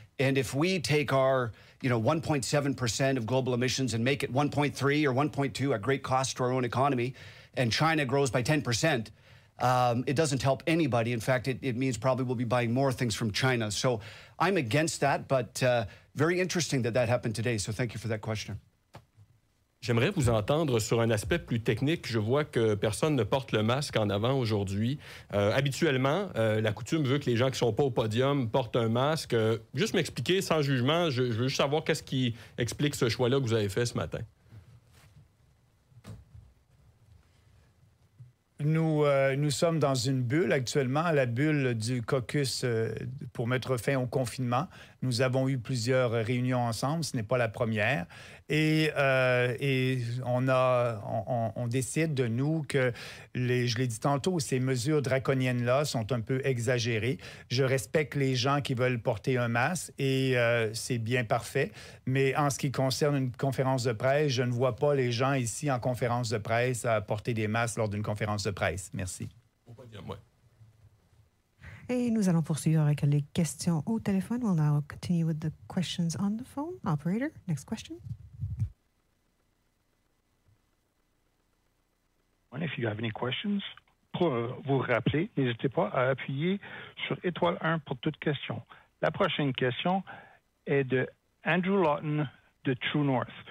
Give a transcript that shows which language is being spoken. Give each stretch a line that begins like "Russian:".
English: And if we take our, 1.7% of global emissions and make it 1.3 or 1.2 at great cost to our own economy, and China grows by 10%, it doesn't help anybody. In fact, it means probably we'll be buying more things from China. So I'm against that, but very interesting that happened today. So thank you for that question.
French: J'aimerais vous entendre sur un aspect plus technique. Je vois que personne ne porte le masque en avant aujourd'hui. Habituellement, la coutume veut que les gens qui ne sont pas au podium portent un masque. Juste m'expliquer sans jugement, je veux juste savoir qu'est-ce qui explique ce choix-là que vous avez fait ce matin. Nous, nous sommes dans une bulle actuellement, la bulle du caucus pour mettre fin au confinement. Nous avons eu plusieurs réunions ensemble, ce n'est pas la première. Et on décide de nous que, je l'ai dit tantôt, ces mesures draconiennes-là sont un peu exagérées. Je respecte les gens qui veulent porter un masque et c'est bien parfait. Mais en ce qui concerne une conférence de presse, je ne vois pas les gens ici en conférence de presse à porter des masques lors d'une conférence de presse. Merci. Et nous allons poursuivre avec les questions au téléphone.
English: We'll now continue with the questions on the phone. Operator, next question. If you have any questions,
French: pour vous rappeler, n'hésitez pas à appuyer sur étoile 1 pour toute question. La prochaine question est de Andrew Lawton de True North.